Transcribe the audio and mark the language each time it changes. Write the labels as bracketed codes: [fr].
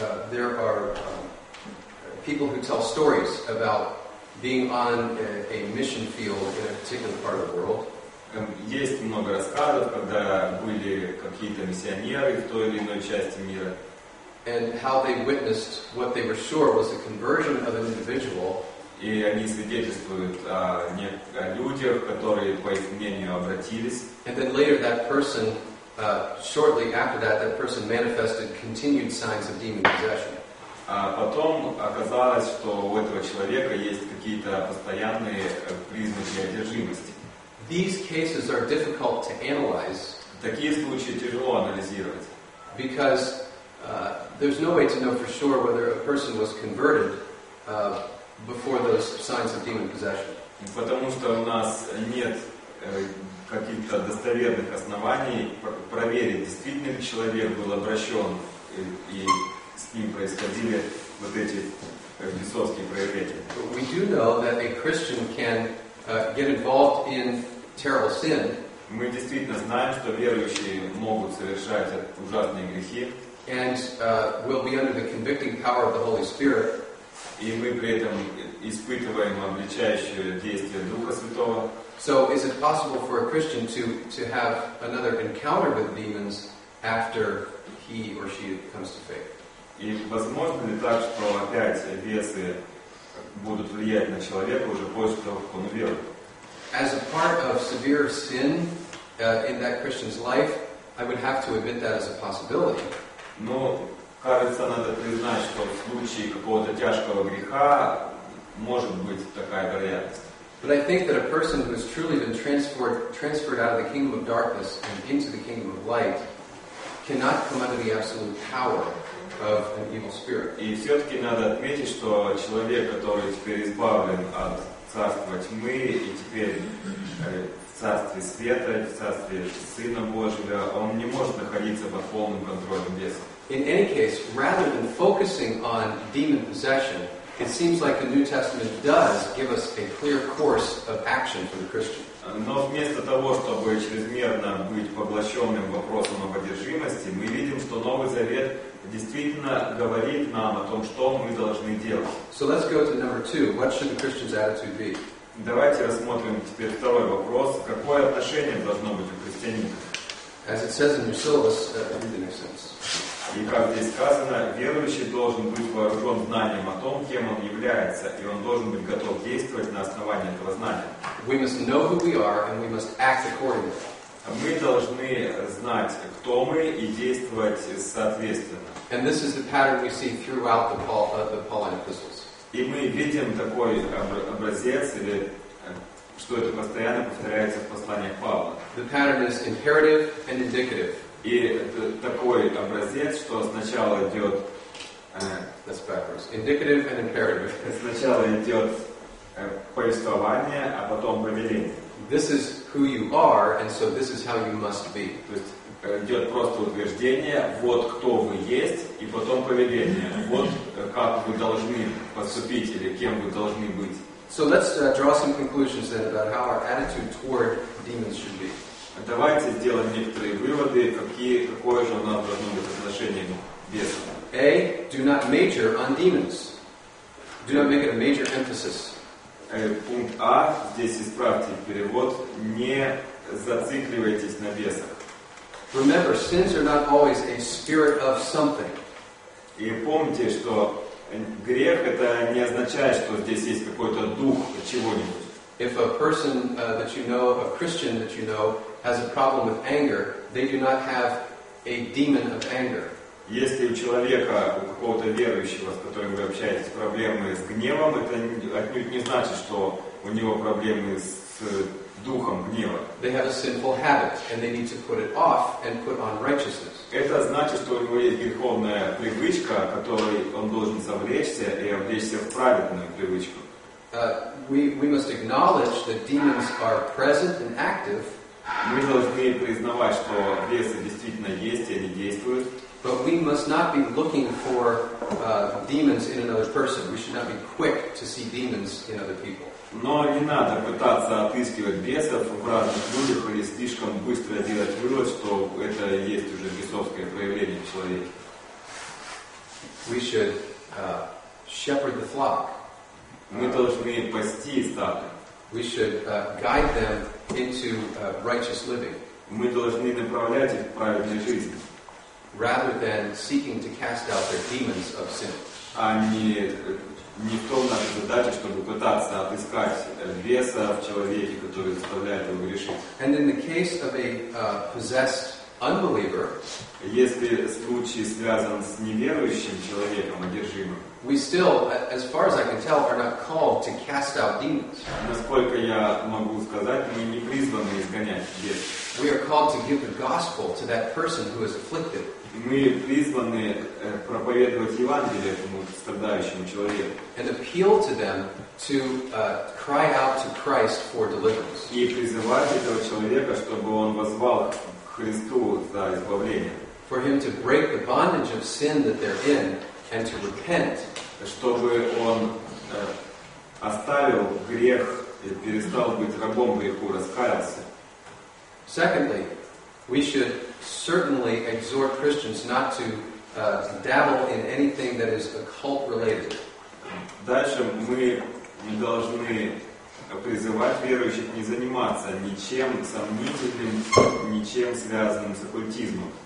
[en] There are people who tell stories about being on a mission field in a particular part of the world. [ru] Есть много рассказов, когда были какие-то миссионеры в той или иной части мира. [en] And how they witnessed what they were sure was the conversion of an individual. [ru] И они свидетельствуют о людях, которые, по их мнению, обратились. [en] And then later that person, shortly after that, that person manifested continued signs of demon possession. [ru] А потом оказалось, что у этого человека есть какие-то постоянные признаки одержимости. [en] These cases are difficult to analyze. [ru] Такие случаи тяжело анализировать. [en] Because there's no way to know for sure whether a person was converted before those signs of demon possession. [ru] Потому что у нас нет каких-то достоверных оснований проверить, действительно ли человек был обращен и с ним происходили вот эти бесовские проявления. [en] But we do know that a Christian can get involved in terrible sin. [ru] Мы действительно знаем, что верующие могут совершать ужасные грехи. [en] And we'll be under the convicting power of the Holy Spirit. [ru] И мы при этом испытываем обличающее действие Духа Святого. [en] So is it possible for a Christian to have another encounter with demons after he or she comes to faith? [ru] И возможно ли так, что опять бесы будут влиять на человека уже после того, как он верит? [en] As a part of severe sin in that Christian's life, I would have to admit that as a possibility. [ru] Но, кажется, надо признать, что в случае какого-то тяжкого греха может быть такая вероятность. [en] But I think that a person who has truly been transferred out of the kingdom of darkness and into the kingdom of light cannot come under the absolute power of an evil spirit. [ru] И все-таки надо отметить, что человек, который теперь избавлен от царства тьмы и теперь в царстве света, в царстве Сына Божьего, он не может находиться под полным контролем беса. [en] In any case, rather than focusing on demon possession, it seems like the New Testament does give us a clear course of action for the Christian. [ru] Но вместо того, чтобы чрезмерно быть поглощенным вопросом об одержимости, мы видим, что Новый Завет действительно говорит нам о том, что мы должны делать. [en] So let's go to number two. What should the Christian's attitude be? [ru] Давайте рассмотрим теперь второй вопрос. Какое отношение должно быть у христианина? [en] As it says in your syllabus, read the next sentence. [ru] И как здесь сказано, верующий должен быть вооружен знанием о том, кем он является, и он должен быть готов действовать на основании этого знания. [en] We must know who we are, and we must act accordingly. [ru] Мы должны знать, кто мы, и действовать соответственно. [en] And this is the pattern we see throughout the Pauline epistles. [ru] И мы видим такой образец, или что это постоянно повторяется в посланиях Павла. [en] The pattern is imperative and indicative. [ru] И такой образец, что сначала идет [en] that's backwards. Indicative and imperative. [ru] Сначала идет повествование, а потом повеление. [en] This is who you are, and so this is how you must be. [ru] То есть идет просто утверждение, вот кто вы есть, и потом повеление. Вот как вы должны поступить или кем вы должны быть. [en] So let's draw some conclusions then about how our attitude toward demons should be. [ru] Давайте сделаем некоторые выводы, какое же у нас должно быть отношение к бесам. [en] A. Do not major on demons. Do not make it a major emphasis. [ru] Пункт А. Здесь исправьте перевод. Не зацикливайтесь на бесах. [en] Remember, sins are not always a spirit of something. [ru] И помните, что грех это не означает, что здесь есть какой-то дух чего-нибудь. [en] If a person that you know, a Christian that you know, has a problem with anger, they do not have a demon of anger. [ru] Если у человека, у какого-то верующего, с которым вы общаетесь, проблемы с гневом, это отнюдь не значит, что у него проблемы с духом гнева. [en] They have a sinful habit, and they need to put it off and put on righteousness. [ru] Это значит, что у него есть греховная привычка, которой он должен совлечься и облечься в праведную привычку. [en] We must acknowledge that demons are present and active. [ru] Мы должны признавать, что бесы действительно есть, и они действуют. [en] But we must not be looking for demons in another person. We should not be quick to see demons in other people. [ru] Но не надо пытаться отыскивать бесов в разных людях или слишком быстро делать вывод, что это есть уже бесовское проявление в человеке. [en] We should shepherd the flock. [ru] Мы должны пасти стадо. [en] We should guide them into righteous living. [ru] Мы должны направлять их в праведную жизнь. [en] Rather than seeking to cast out their demons of sin. [ru] А не в том нашей задаче, чтобы пытаться отыскать беса в человеке, который заставляет его грешить. [en] And in the case of a possessed unbeliever, [ru] если случай связан с неверующим человеком, одержимым, [en] we still, as far as I can tell, are not called to cast out demons. [ru] Насколько я могу сказать, мы не призваны изгонять бесов. [en] We are called to give the gospel to that person who is afflicted. [ru] Мы призваны проповедовать Евангелие этому страдающему человеку. [en] And appeal to them to cry out to Christ for deliverance. [ru] И призывать этого человека, чтобы он воззвал к Христу за избавление. [en] For him to break the bondage of sin that they're in. And to repent, [ru] чтобы он оставил грех и перестал быть рабом греху, раскаялся. [en] Secondly, we should certainly exhort Christians not to dabble in anything that is occult related. [ru] Дальше мы не должны призывать верующих не заниматься ничем сомнительным, ничем связанным с оккультизмом.